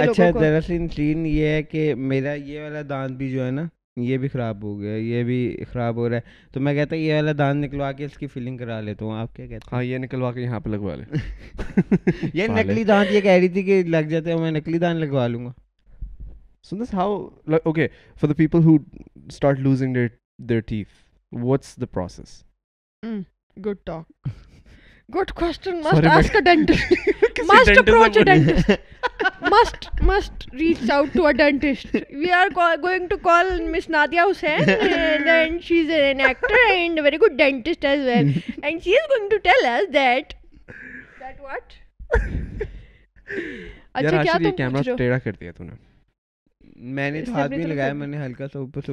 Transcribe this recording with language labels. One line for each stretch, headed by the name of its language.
Urdu: اچھا, دراصل یہ ہے کہ میرا یہ والا دانت بھی جو ہے نا, یہ بھی خراب ہو گیا, یہ بھی خراب ہو رہا ہے. تو میں کہتا ہوں یہ والا دانت نکلوا کے اس کی فلنگ کرا لیتا ہوں. آپ کیا کہتے ہیں؟ ہاں, یہ نکلوا کے یہاں پہ لگوا لے. یہ نکلی دانت, یہ کہہ رہی تھی کہ لگ جاتے ہیں, میں نکلی دانت لگوا لوں گا.
English: So this how, like, okay, for the people who start losing their teeth, what's the process? Good talk. Good question. Must ask a dentist. Must approach a dentist. must reach out to a dentist. We are going to call Miss Nadia Hussain, and she's an actor and a very good dentist as well. And she is going to tell us that what?
Urdu: Yeah, Rashid, ye camera teda kar diya tune. میں نے تو ہاتھ بھی لگایا, میں نے ہلکا سا اوپر سے